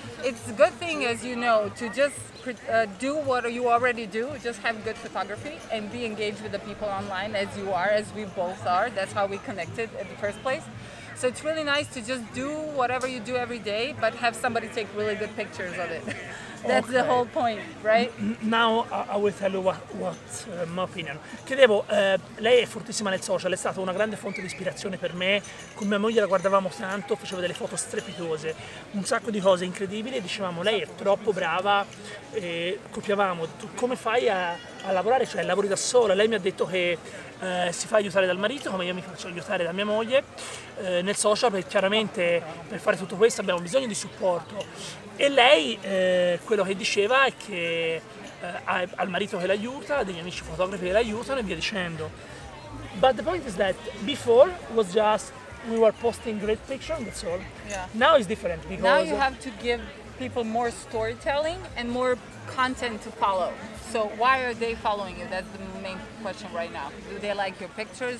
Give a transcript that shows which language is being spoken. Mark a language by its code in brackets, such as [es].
[en] It's a good thing, as you know, to just do what you already do, just have good photography and be engaged with the people online as you are, as we both are. That's how we connected in the first place. So it's really nice to just do whatever you do every day, but have somebody take really good pictures of it. That's okay. The whole point, right? Now I will tell you what my opinion. [it] Chiedevo, lei è fortissima nel social, è stata una grande fonte di ispirazione per me. Con mia moglie la guardavamo tanto, faceva delle foto strepitose, un sacco di cose incredibili, dicevamo lei è troppo brava, e copiavamo. Tu come fai a lavorare? Cioè lavori da sola? Lei mi ha detto che si fa aiutare dal marito, come io mi faccio aiutare da mia moglie, nel social, perché chiaramente per fare tutto questo abbiamo bisogno di supporto. E lei, quello che diceva è che ha il marito che l'aiuta, degli amici fotografi che l'aiutano e via dicendo. [en] But the point is that before was just we were posting great pictures, that's all. Yeah. Now it's different because now you have to give people more storytelling and more content to follow. So why are they following you? That's the main question right now. Do they like your pictures?